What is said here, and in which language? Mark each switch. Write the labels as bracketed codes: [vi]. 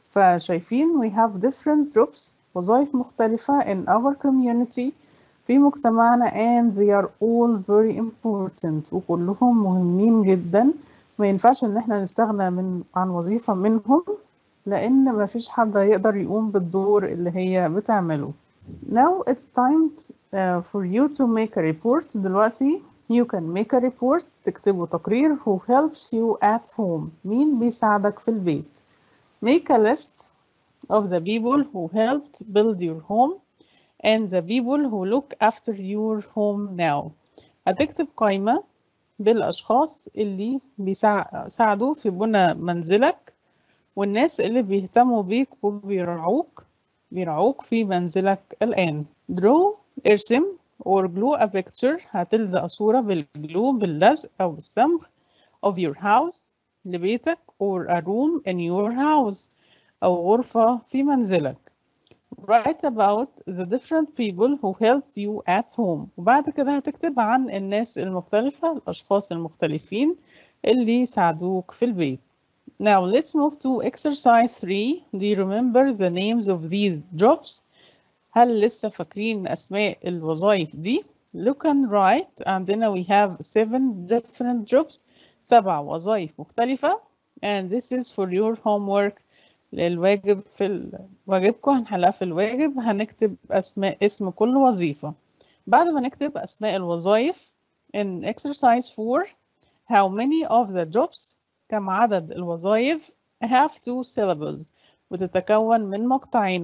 [ar] فشايفين [en] we have different jobs [ar] وظائف مختلفة [en] in our community [ar] في مجتمعنا [en] and they are all very important [ar] وكلهم مهمين جدا. ما ينفعش ان احنا نستغنى عن وظيفة منهم لان ما فيش حد يقدر يقوم بالدور اللي هي بتعمله. [en] Now it's time for you to make a report. [ar] دلوقتي [en] you can make a report [ar] تكتبوا تقرير. [en] Who helps you at home؟ [ar] مين بيساعدك في البيت؟ [en] Make a list of the people who helped build your home and the people who look after your home now. [ar] هتكتب قائمة بالأشخاص اللي بيساعدوا في بناء منزلك والناس اللي بيهتموا بيك وبيرعوك في منزلك الآن. [en] Draw, [ar] ارسم [en] or glue a picture. [ar] هتلزق صورة بالجلو باللزق أو بالصمغ [en] of your house [ar] لبيتك [en] or a room in your house [ar] أو غرفة في منزلك. [en] Write about the different people who helped you at home. [ar] وبعد كده هتكتب عن الناس المختلفة الأشخاص المختلفين اللي ساعدوك في البيت. [en] Now let's move to exercise 3. Do you remember the names of these jobs? [ar] هل لسه فاكرين أسماء الوظائف دي؟ [en] Look and write. [ar] عندنا [en] we have 7 different jobs. 7 [ar] وظائف مختلفة. [en] And this is for your homework. [ar] للواجب في واجبكم هنحلها في الواجب. هنكتب أسماء اسم كل وظيفة. بعد ما نكتب أسماء الوظائف [en] in exercise 4 how many of the jobs [ar] كم عدد الوظائف [en] have 2 syllables [ar] وتتكون من مقطعين.